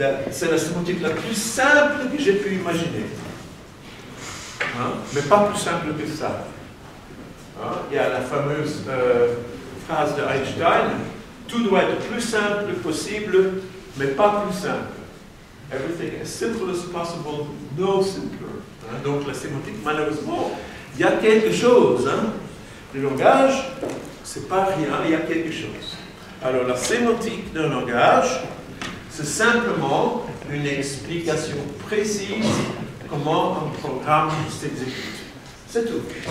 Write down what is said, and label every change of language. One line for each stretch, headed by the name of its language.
French: C'est la sémantique la plus simple que j'ai pu imaginer. Hein? Mais pas plus simple que ça. Hein? Il y a la fameuse phrase de Einstein. Tout doit être plus simple possible, mais pas plus simple.
English: Everything as simple as possible, no simpler.
French: Donc la sémantique, malheureusement, il y a quelque chose. Hein? Le langage, c'est pas rien, il y a quelque chose. Alors la sémantique d'un langage, c'est simplement une explication précise comment un programme s'exécute. C'est tout.